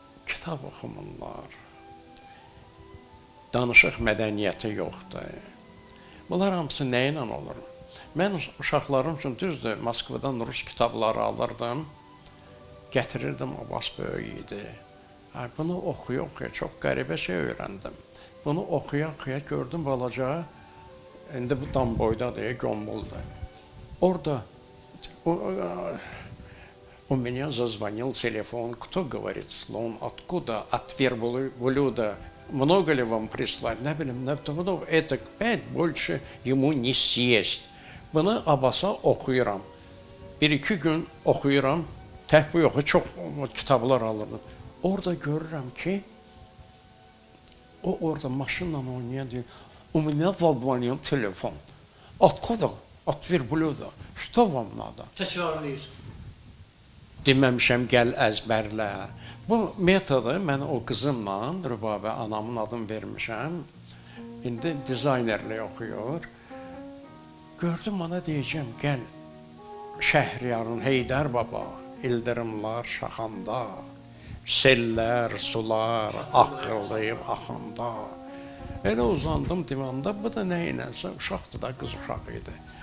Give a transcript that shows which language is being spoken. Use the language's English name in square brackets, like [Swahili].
[Azerbaijani] Kitab oxumurlar, danışıq mədəniyyəti yoxdur. Bunlar hamısı nə ilə olur? Mən uşaqlarım üçün düzdür, Moskvadan rus kitabları alırdım, gətirirdim, o bas böyük idi. Bunu oxuya-oxuya, çox qəribə şey öyrəndim. Bunu oxuya-oxuya gördüm balaca, indi bu dam boydadır, gömbuldur. [Russian] Orada, у меня зазвонил телефон, кто говорит слон, откуда, от верблюда, много ли вам прислать, не знаю, не знаю, это пять больше ему не съесть. [Azerbaijani] Bunu Abbas'a oxuyuram. Bir iki gün oxuyuram, tək bu yoxu, çox kitablar alırdım. Orada görürəm ki, o orada maşınla oynayan deyil, [Russian] у меня зазвонил телефон, откуда, от верблюда, что вам надо? [Azerbaijani] Təkrarlayır. deməmişəm gəl əzbərlə. Bu metodu mən o qızımla, Rübabə anamın adını vermişəm. İndi dizaynerliyi oxuyor. Gördüm ona deyəcəm, gəl Şəhriyarın Heydər baba, ildirimlər şaxanda, sellər, sular axırlayıb axanda. Elə uzandım divanda, bu da nəyinəsə, uşaqdır da, qız uşağı idi.